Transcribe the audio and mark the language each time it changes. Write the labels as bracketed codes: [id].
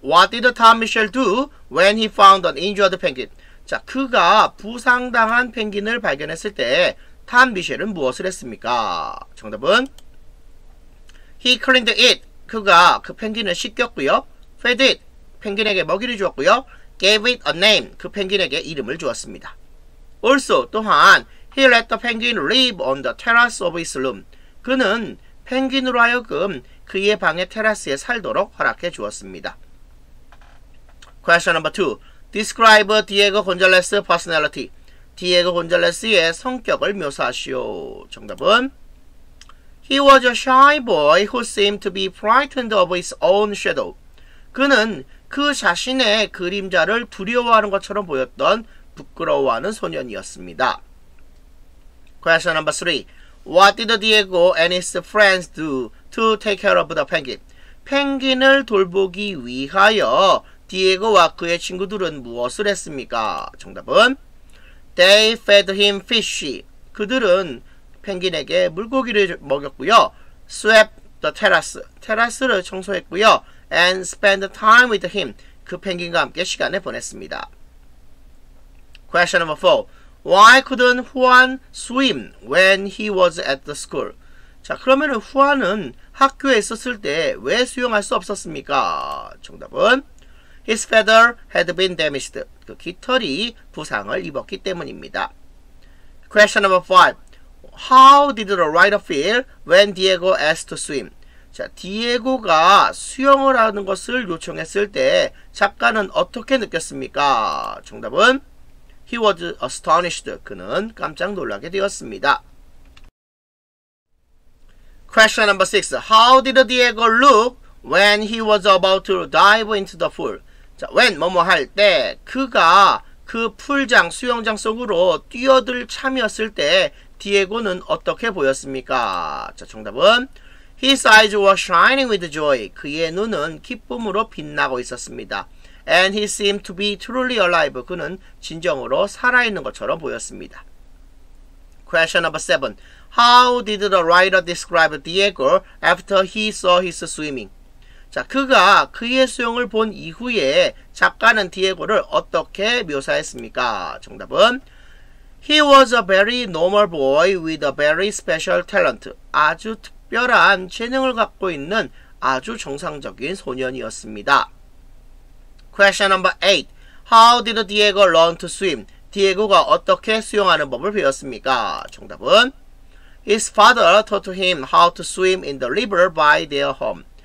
[en] What did Tom Mitchell do when he found an injured penguin? [ko] 자, 그가 부상당한 펭귄을 발견했을 때 탐 미셸은 무엇을 했습니까? 정답은 [en] He cleaned it. [ko] 그가 그 펭귄을 씻겼고요. [en] Fed it. [ko] 펭귄에게 먹이를 주었고요. [en] Gave it a name. [ko] 그 펭귄에게 이름을 주었습니다. [en] Also, [ko] 또한 [en] He let the penguin live on the terrace of his room. [ko] 그는 펭귄으로 하여금 그의 방의 테라스에 살도록 허락해 주었습니다. [en] Question number 2. Describe Diego Gonzalez's personality. [ko] Diego Gonzalez의 성격을 묘사하시오. 정답은 [en] He was a shy boy who seemed to be frightened of his own shadow. [ko] 그는 그 자신의 그림자를 두려워하는 것처럼 보였던 부끄러워하는 소년이었습니다. [en] Question number 3. What did Diego and his friends do to take care of the penguin? [ko] 펭귄을 돌보기 위하여 디에고와 그의 친구들은 무엇을 했습니까? 정답은 [en] They fed him fish. [ko] 그들은 펭귄에게 물고기를 먹였고요. [en] Swept the terrace. [ko] 테라스를 청소했고요. [en] And spent time with him. [ko] 그 펭귄과 함께 시간을 보냈습니다. [en] Question number 4. Why couldn't Juan swim when he was at the school? [ko] 자, 그러면 후안은 학교에 있었을 때 왜 수영할 수 없었습니까? 정답은 [en] His feather had been damaged. [ko] 그 깃털이 부상을 입었기 때문입니다. [en] Question number 5. How did the rider feel when Diego asked to swim? [ko] 자, 디에고가 수영을 하는 것을 요청했을 때 작가는 어떻게 느꼈습니까? 정답은 [en] He was astonished. [ko] 그는 깜짝 놀라게 되었습니다. [en] Question number 6. How did Diego look when he was about to dive into the pool? [ko] 자, when, 뭐뭐 할 때, 그가 그 풀장, 수영장 속으로 뛰어들 참이었을 때, 디에고는 어떻게 보였습니까? 자, 정답은, [en] His eyes were shining with joy. [ko] 그의 눈은 기쁨으로 빛나고 있었습니다. [en] And he seemed to be truly alive. [ko] 그는 진정으로 살아있는 것처럼 보였습니다. [en] Question number 7. How did the writer describe Diego after he saw his swimming? [ko] 자, 그가 그의 수영을 본 이후에 작가는 디에고를 어떻게 묘사했습니까? 정답은 [en] He was a very normal boy with a very special talent. [ko] 아주 특별한 재능을 갖고 있는 아주 정상적인 소년이었습니다. [en] Question number 8. How did Diego learn to swim? [ko] 디에고가 어떻게 수영하는 법을 배웠습니까? 정답은 [en] His father taught him how to swim in the river by their home.